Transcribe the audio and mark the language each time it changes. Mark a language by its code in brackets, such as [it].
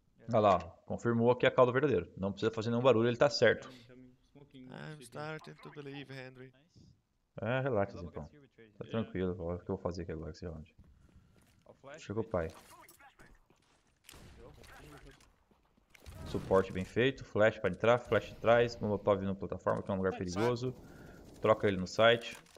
[pt] Olha lá, confirmou aqui a calda verdadeira. Não precisa fazer nenhum barulho, ele tá certo. [en] I'm starting to believe, Henry. [pt] É, relaxa, então. Tá tranquilo, olha o que eu vou fazer aqui agora com esse round. Chegou o pai. Suporte bem feito, flash pra entrar, flash atrás, molotov na plataforma, que é um lugar perigoso. Troca ele no site.